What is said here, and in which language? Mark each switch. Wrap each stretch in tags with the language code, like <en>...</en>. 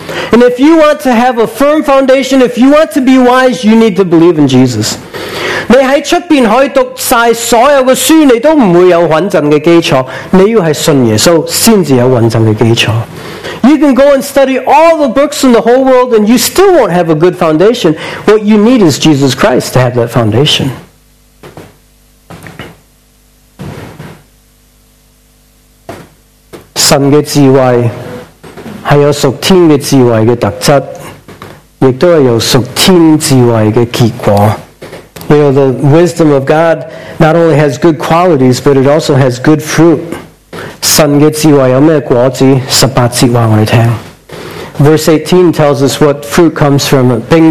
<en>And if you want to have a firm foundation, if you want to be wise, you need to believe in Jesus.</en> <zh>你在外面可以读所有的书,你都不会有稳定的基础,你要是信耶稣,才有稳定的基础。</zh> <en>You can go and study all the books in the whole world, and you still won't have a good foundation. What you need is Jesus Christ to have that foundation.</en> <zh>神的智慧是有属天的智慧的特质，亦都是有属天智慧的结果。</zh> <en>You know, the wisdom of God not only has good qualities, but it also has good fruit.</en> <zh>神的智慧有什么果子？18节话我们听。</zh> <en>Verse 18 tells us what fruit comes from it.</en>